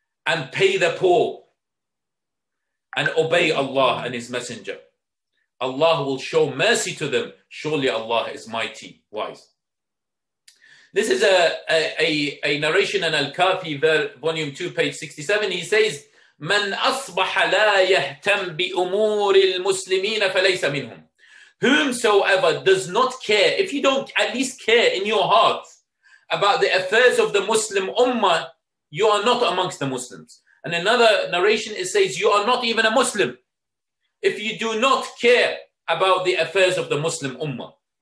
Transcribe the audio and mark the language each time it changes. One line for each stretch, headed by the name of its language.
English: And pay the poor. And obey Allah and His Messenger. Allah will show mercy to them. Surely Allah is mighty, wise. This is a narration in Al-Kafi, volume 2, page 67. He says,
Arabic: مَنْ أَصْبَحَ لَا يَهْتَمْ بِأُمُورِ الْمُسْلِمِينَ فَلَيْسَ مِنْهُمْ.
English: whomsoever does not care, if you don't at least care in your heart about the affairs of the Muslim Ummah, you are not amongst the Muslims. And another narration, it says, you are not even a Muslim if you do not care about the affairs of the Muslim Ummah.